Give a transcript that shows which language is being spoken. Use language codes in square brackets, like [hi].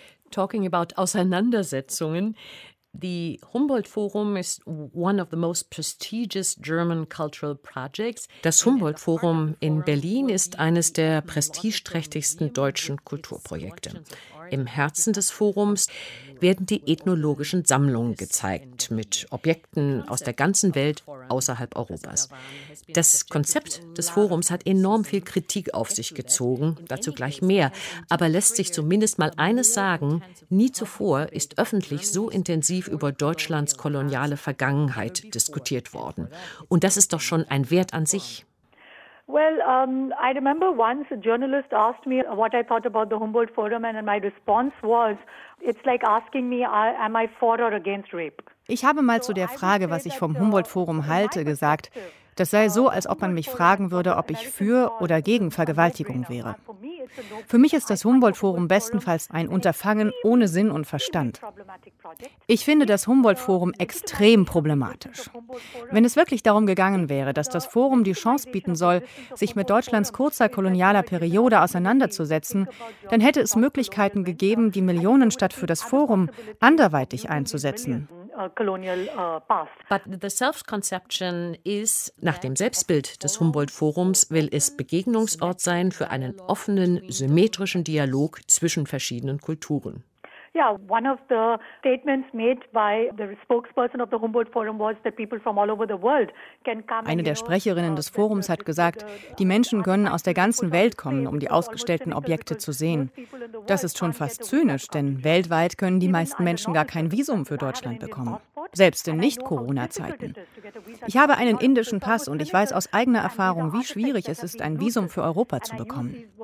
[en] talking about Auseinandersetzungen. The Humboldt Forum is one of the most prestigious German cultural projects. [de] Das Humboldt Forum in Berlin ist eines der prestigeträchtigsten deutschen Kulturprojekte. Im Herzen des Forums werden die ethnologischen Sammlungen gezeigt, mit Objekten aus der ganzen Welt außerhalb Europas. Das Konzept des Forums hat enorm viel Kritik auf sich gezogen, dazu gleich mehr. Aber lässt sich zumindest mal eines sagen, nie zuvor ist öffentlich so intensiv über Deutschlands koloniale Vergangenheit diskutiert worden. Und das ist doch schon ein Wert an sich. [en] Well, I remember once a journalist asked me what I thought about the Humboldt Forum, and my response was, it's like asking me, am I for or against rape? [de] Ich habe mal zu der Frage, was ich vom Humboldt Forum halte, gesagt, das sei so, als ob man mich fragen würde, ob ich für oder gegen Vergewaltigung wäre. Für mich ist das Humboldt-Forum bestenfalls ein Unterfangen ohne Sinn und Verstand. Ich finde das Humboldt-Forum extrem problematisch. Wenn es wirklich darum gegangen wäre, dass das Forum die Chance bieten soll, sich mit Deutschlands kurzer kolonialer Periode auseinanderzusetzen, dann hätte es Möglichkeiten gegeben, die Millionen statt für das Forum anderweitig einzusetzen. [en] But the self-conception is, [de] nach dem Selbstbild des Humboldt-Forums will es Begegnungsort sein für einen offenen, symmetrischen Dialog zwischen verschiedenen Kulturen. [en] Yeah, one of the statements made by the spokesperson of the Humboldt Forum was that people from all over the world can come. [de] Eine der Sprecherinnen des Forums hat gesagt, die Menschen können aus der ganzen Welt kommen, um die ausgestellten Objekte zu sehen. Das ist schon fast zynisch, denn weltweit können die meisten Menschen gar kein Visum für Deutschland bekommen. Selbst in Nicht-Corona-Zeiten. Ich habe einen indischen Pass und ich weiß aus eigener Erfahrung, wie schwierig es ist, ein Visum für Europa zu bekommen.